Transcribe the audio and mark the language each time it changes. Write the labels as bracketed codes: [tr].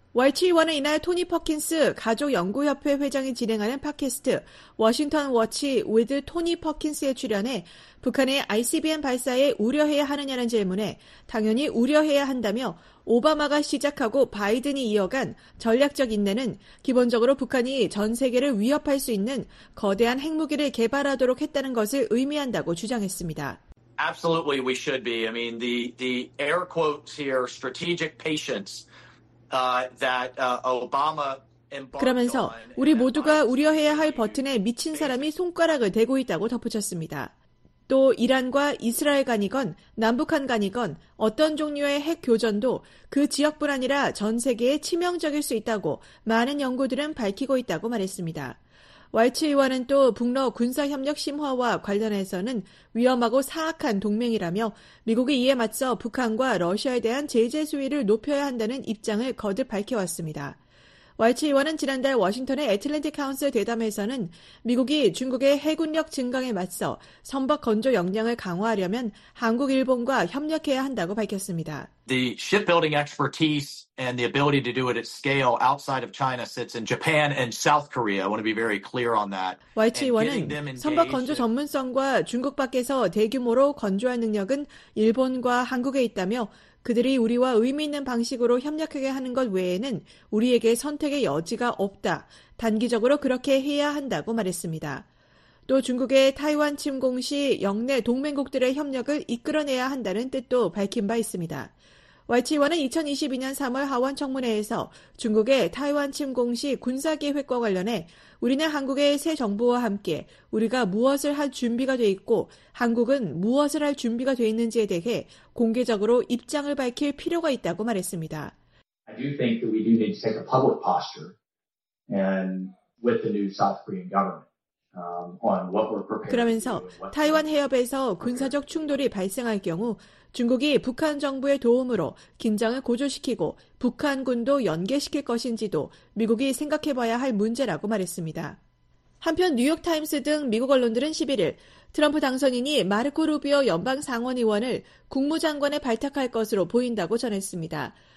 [ko] 왈츠 의원은 이날 토니 퍼킨스 가족연구협회 회장이 진행하는 팟캐스트 워싱턴 워치 위드 토니 퍼킨스에 출연해 북한의 ICBM 발사에 우려해야 하느냐는 질문에 당연히 우려해야 한다며 오바마가 시작하고 바이든이 이어간 전략적 인내는 기본적으로 북한이 전 세계를 위협할 수 있는 거대한 핵무기를 개발하도록 했다는 것을 의미한다고 주장했습니다. [en] Absolutely, we should be. I mean, the air quotes here, strategic patience. Obama [ko] 그러면서 우리 모두가 우려해야 할 버튼에 미친 사람이 손가락을 대고 있다고 덧붙였습니다. 또 이란과 이스라엘 간이건 남북한 간이건 어떤 종류의 핵 교전도 그 지역뿐 아니라 전 세계에 치명적일 수 있다고 많은 연구들은 밝히고 있다고 말했습니다. 왈츠 의원은 또 북러 군사협력 심화와 관련해서는 위험하고 사악한 동맹이라며 미국이 이에 맞서 북한과 러시아에 대한 제재 수위를 높여야 한다는 입장을 거듭 밝혀왔습니다. 왈츠 의원은 지난달 워싱턴의 애틀랜틱 카운슬 대담에서는 미국이 중국의 해군력 증강에 맞서 선박 건조 역량을 강화하려면 한국, 일본과 협력해야 한다고 밝혔습니다. [en] The shipbuilding expertise and the ability to do it at scale outside of China sits in Japan and South Korea. I want to be very clear on that. [ko] 왈츠 의원은 선박 건조 전문성과 중국 밖에서 대규모로 건조할 능력은 일본과 한국에 있다며 그들이 우리와 의미 있는 방식으로 협력하게 하는 것 외에는 우리에게 선택의 여지가 없다. 단기적으로 그렇게 해야 한다고 말했습니다. 또 중국의 타이완 침공 시 영내 동맹국들의 협력을 이끌어내야 한다는 뜻도 밝힌 바 있습니다. YT1은 2022년 3월 하원 청문회에서 중국의 타이완 침공 시 군사 계획과 관련해 우리는 한국의 새 정부와 함께 우리가 무엇을 할 준비가 돼 있고 한국은 무엇을 할 준비가 돼 있는지에 대해 공개적으로 입장을 밝힐 필요가 있다고 말했습니다. [en] I do think that we do need to take a public posture and with the new South Korean government. [ko] 그러면서 타이완 해협에서 군사적 충돌이 발생할 경우 중국이 북한 정부의 도움으로 긴장을 고조시키고 북한군도 연계시킬 것인지도 미국이 생각해봐야 할 문제라고 말했습니다. 한편 뉴욕타임스 등 미국 언론들은 11일 트럼프 당선인이 마르코 루비오 연방 상원의원을 국무장관에 발탁할 것으로 보인다고 전했습니다.